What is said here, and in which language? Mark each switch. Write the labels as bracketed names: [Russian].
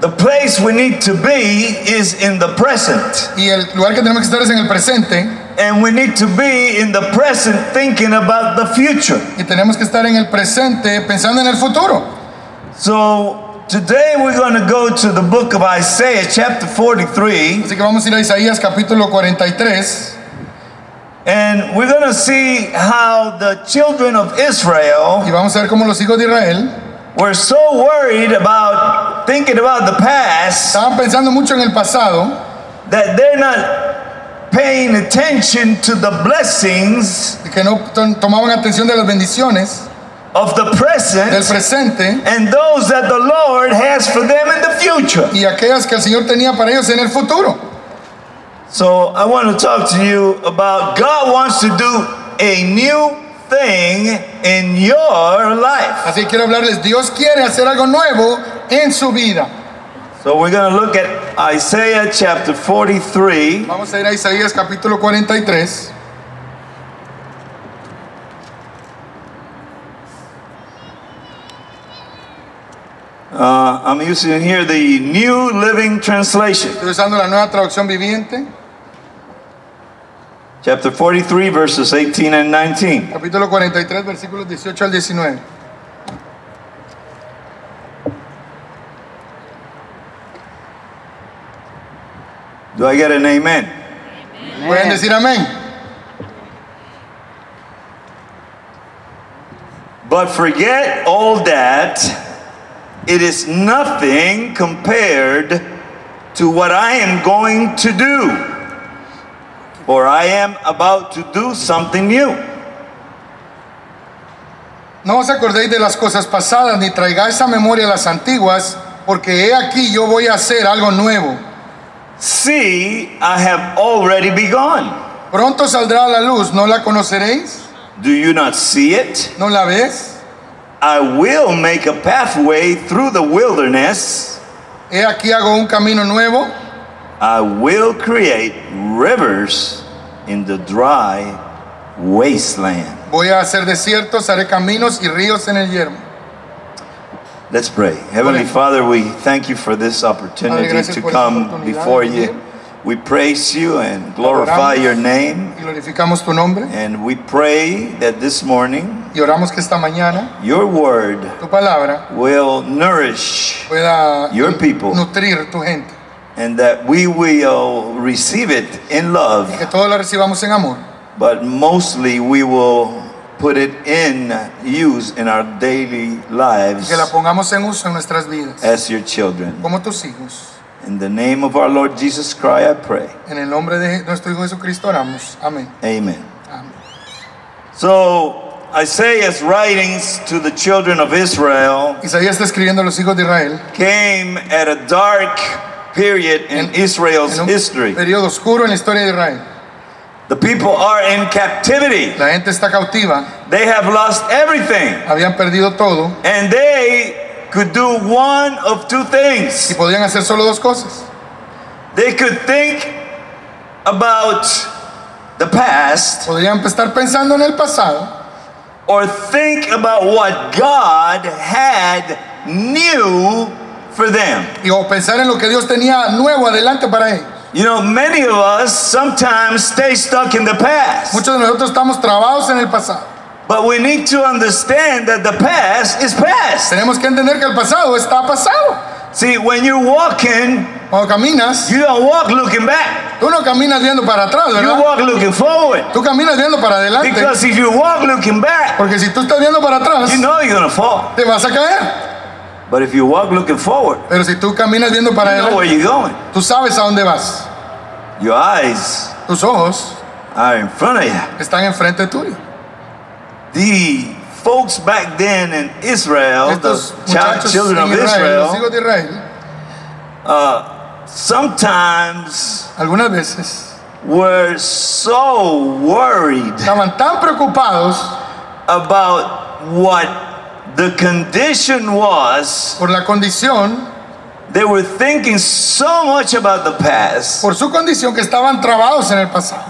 [English] The place we need to be is in the present. [Spanish] Y el lugar que tenemos que estar es en el presente. [English] And we need to be in the present thinking about the future. [Spanish] Y tenemos que estar en el presente pensando en el futuro. [English] So today we're going to go to the book of Isaiah chapter 43. [Spanish] Así que vamos a ir a Isaías capítulo 43. [English] And we're going to see how the children of Israel, [Spanish] y vamos a ver cómo los hijos de Israel, [English] were so worried about thinking about the past, [Spanish] estaban pensando mucho en el pasado, [English] that they're not paying attention to the blessings, [Spanish] que no tomaban atención de las bendiciones, [English] of the present, [Spanish] del presente, [English] and those that the Lord has for them in the future, [Spanish] y aquellas que el Señor tenía para ellos en el futuro. [English] So I want to talk to you about God wants to do a new thing in your life. [Spanish] Así quiero hablarles. Dios quiere hacer algo nuevo en su vida. [English] So we're going to look at Isaiah chapter 43. [Spanish] Vamos a ir a Isaías capítulo 43. [English] I'm using here the New Living Translation. [Spanish] Estoy usando la Nueva Traducción Viviente. [English] Chapter 43, verses 18 and 19. [Spanish] Capítulo 43, versículos 18 al 19. [English] Do I get an amen? Amen. [Spanish] ¿Pueden decir amén? [English] But forget all that. It is nothing compared to what I am going to do. For I am about to do something new. [Spanish] No os acordéis de las cosas pasadas, ni traigáis a memoria las antiguas, porque he aquí yo voy a hacer algo nuevo. [English] See, I have already begun. [Spanish] Pronto saldrá a la luz, ¿no la conoceréis? [English] Do you not see it? [Spanish] ¿No la ves? [English] I will make a pathway through the wilderness. [Spanish] He aquí hago un camino nuevo. [English] I will create rivers in the dry wasteland. [Spanish] Voy a hacer desiertos, haré caminos y ríos en el yermo. [English] Let's pray. Heavenly Father, we thank you for this opportunity to come before you. We praise you and glorify your name. [Spanish] Y glorificamos tu nombre. [English] And we pray that this morning, [Spanish] y oramos que esta mañana, [English] your word, [Spanish] tu palabra, [English] will nourish [Spanish] pueda [English] your people. [Spanish] Nutrir tu gente. [English] And that we will receive it in love. [Spanish] Y que todos la recibamos en amor. [English] But mostly we will put it in use in our daily lives. [Spanish] Y que la pongamos en uso en nuestras vidas. [English] As your children. [Spanish] Como tus hijos. [English] In the name of our Lord Jesus Christ, I pray. [Spanish] En el nombre de nuestro Hijo Jesucristo oramos. Amén. [English] Amen. Amen. So Isaiah's writings to the children of Israel, [Spanish] Isaías está escribiendo a los hijos de Israel, [English] came at a dark period in Israel's history. [Spanish] Periodo oscuro en la historia de Israel. [English] The people are in captivity. [Spanish] La gente está cautiva. [English] They have lost everything. [Spanish] Habían perdido todo. [English] And they could do one of two things. [Spanish] Y podían hacer solo dos cosas. [English] They could think about the past. [Spanish] Podían estar pensando en el pasado. [English] Or think about what God had new for them. [Spanish] Y o pensar en lo que Dios tenía nuevo adelante para ellos. [English] You know, many of us sometimes stay stuck in the past. [Spanish] Muchos de nosotros estamos trabados en el pasado. [English] But we need to understand that the past is past. [Spanish] Tenemos que entender que el pasado está pasado. [English] See, when you're walking, [Spanish] cuando caminas, [English] you don't walk looking back. [Spanish] Tú no caminas viendo para atrás, ¿verdad? [English] You walk looking forward. [Spanish] Tú caminas viendo para adelante. [English] Because if you walk looking back, [Spanish] porque si tú estás viendo para atrás, [English] you know you're gonna fall. [Spanish] Te vas a caer. [English] But if you walk looking forward, [Spanish] pero si tú caminas viendo para [English] you know where you're going. [Spanish] Tú sabes a dónde vas. [English] Your eyes, [Spanish] tus ojos, [English] are in front of you. [Spanish] Están enfrente tuyo. [English] The folks back then in Israel, [Spanish] estos [English] the children Israel, of Israel, [Spanish] los hijos de Israel, [English] sometimes [Spanish] algunas veces, [English] were so worried [Spanish] estaban tan preocupados [English] about what the condition was. [Spanish] Por la condición. [English] They were thinking so much about the past. [Spanish] Por su condición que estaban trabados en el pasado.